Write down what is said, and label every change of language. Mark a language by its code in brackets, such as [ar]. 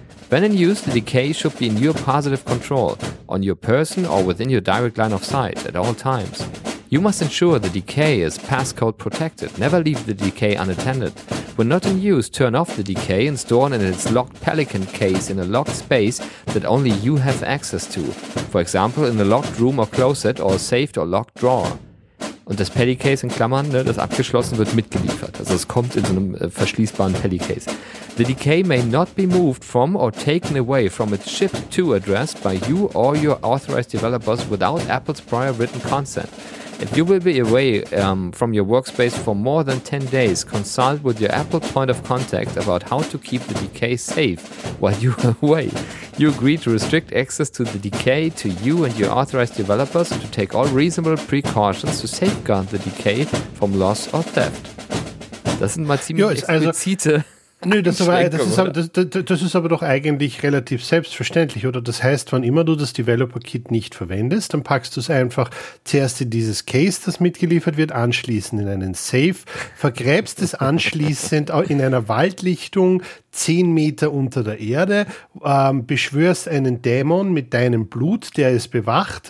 [en] When in use, the DK should be in your positive control, on your person or within your direct line of sight at all times. You must ensure the DK is passcode protected. Never leave the DK unattended. When not in use, turn off the DK and store it in its locked Pelican case in a locked space that only you have access to. For example, in a locked room or closet or a safe or locked drawer. [de] Und das Pelli-Case in Klammern, ne, das abgeschlossen wird, mitgeliefert. Also es kommt in so einem verschließbaren Pelli-Case. [en] The DK may not be moved from or taken away from its ship-to-address by you or your authorized developers without Apple's prior written consent. If you will be away from your workspace for more than 10 days, consult with your Apple point of contact about how to keep the DK safe while you are away. You agree to restrict access to the DK to you and your authorized developers and to take all reasonable precautions to safeguard the DK from loss or theft. [de] Das sind mal ziemlich explizite. Nö, das ist aber doch eigentlich relativ selbstverständlich, oder? Das heißt, wann immer du das Developer-Kit nicht verwendest, dann packst du es einfach zuerst in dieses Case, das mitgeliefert wird, anschließend in einen Safe, vergräbst es anschließend in einer Waldlichtung 10 Meter unter der Erde, beschwörst einen Dämon mit deinem Blut, der es bewacht.